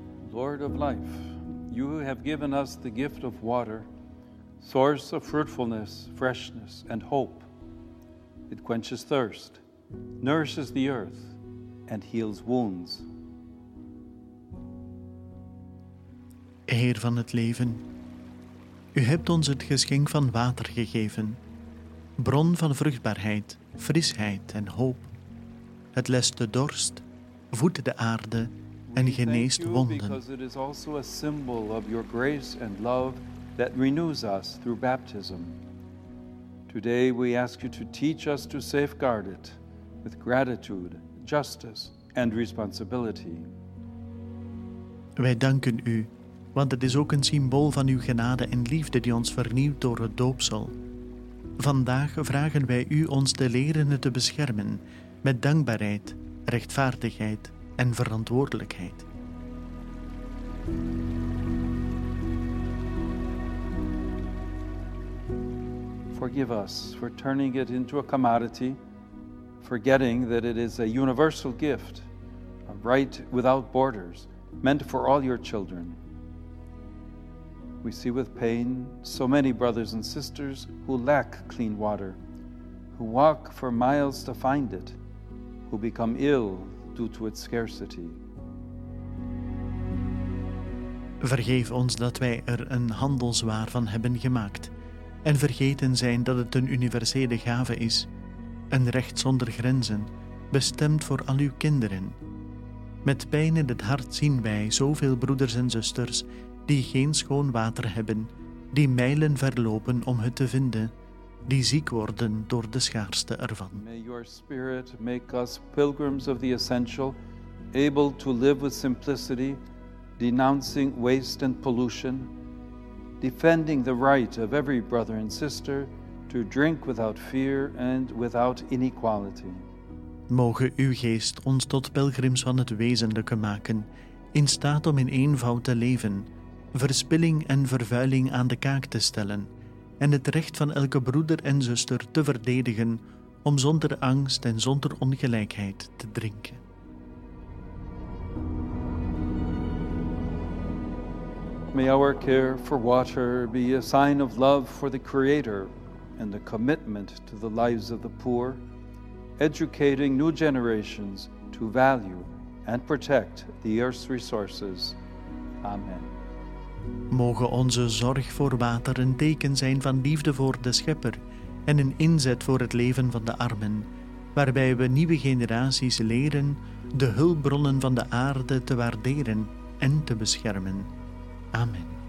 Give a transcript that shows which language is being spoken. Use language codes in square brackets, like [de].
[en] Lord of life, you who have given us the gift of water, source of fruitfulness, freshness, and hope. It quenches thirst, nourishes the earth, and heals wounds. [nl] Heer van het leven, u hebt ons het geschenk van water gegeven, bron van vruchtbaarheid, frisheid en hoop. Het lest de dorst, voedt de aarde en geneest wonden. [en] Because it is also a symbol of your grace and love that renews us through baptism. Today we ask you to teach us to safeguard it with gratitude, justice and responsibility. [nl] Wij danken u, want het is ook een symbool van uw genade en liefde die ons vernieuwt door het doopsel. Vandaag vragen wij u ons te leren het te beschermen met dankbaarheid, rechtvaardigheid en verantwoordelijkheid. [en] Forgive us for turning it into a commodity, forgetting that it is a universal gift, a right without borders, meant for all your children. We see with pain so many brothers and sisters who lack clean water, who walk for miles to find it, who become ill due to its scarcity. [nl] Vergeef ons dat wij er een handelswaar van hebben gemaakt en vergeten zijn dat het een universele gave is, een recht zonder grenzen, bestemd voor al uw kinderen. Met pijn in het hart zien wij zoveel broeders en zusters die geen schoon water hebben, die mijlen verlopen om het te vinden, die ziek worden door de schaarste ervan. [en] May your spirit make us pilgrims of the essential, able to live with simplicity, denouncing waste and pollution, defending the right of every brother and sister to drink without fear and without inequality. [nl] Mogen uw geest ons tot pelgrims van het wezenlijke maken, in staat om in eenvoud te leven, verspilling en vervuiling aan de kaak te stellen en het recht van elke broeder en zuster te verdedigen om zonder angst en zonder ongelijkheid te drinken. [en] May our care for water be a sign of love for the Creator and a commitment to the lives of the poor, educating new generations to value and protect the earth's resources. Amen. [nl] Mogen onze zorg voor water een teken zijn van liefde voor de Schepper en een inzet voor het leven van de armen, waarbij we nieuwe generaties leren de hulpbronnen van de aarde te waarderen en te beschermen. Amen.